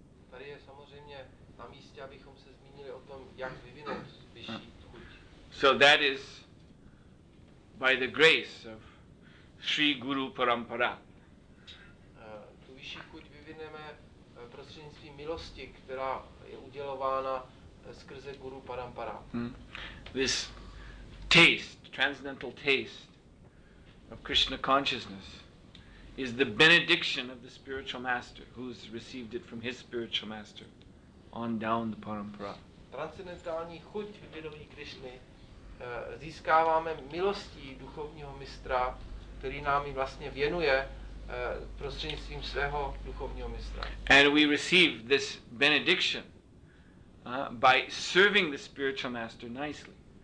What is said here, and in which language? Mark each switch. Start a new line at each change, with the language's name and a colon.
Czech: Tady je samozřejmě na místě, abychom se zmínili o tom, jak vyvinout vyšší chuť.
English: So that is by the grace of Sri Guru Parampara.
Czech: Tu vyšší chuť vyvineme prostřednictvím milosti, která je udělována skrze Guru Parampara.
English: This taste, transcendental taste of Krishna consciousness is the benediction of the spiritual master who's received it from his spiritual master on down the parampara.
Czech: Transcendentální chuť vědomí Krishny získáváme milostí duchovního mistra, který nám ji vlastně věnuje prostřednictvím svého duchovního mistra.
English: And we receive this benediction by serving the spiritual master nicely.